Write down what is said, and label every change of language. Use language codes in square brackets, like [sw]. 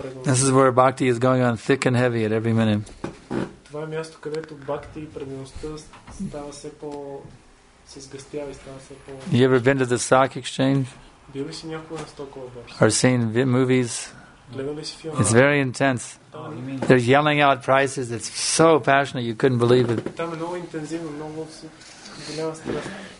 [en] This is where bhakti is going on thick and heavy at every minute. [bg] Това е място, където бхакти и предаността става все по се сгъстява и става все по. [en] You ever been to the stock exchange? [bg] Бил ли си някога на стокова борса? [en] Or seen movies? [bg] Гледали си филми? [en] It's very intense. They're yelling out prices. It's so passionate. You couldn't believe it. [bg] Там е много интензивно, много голяма страст.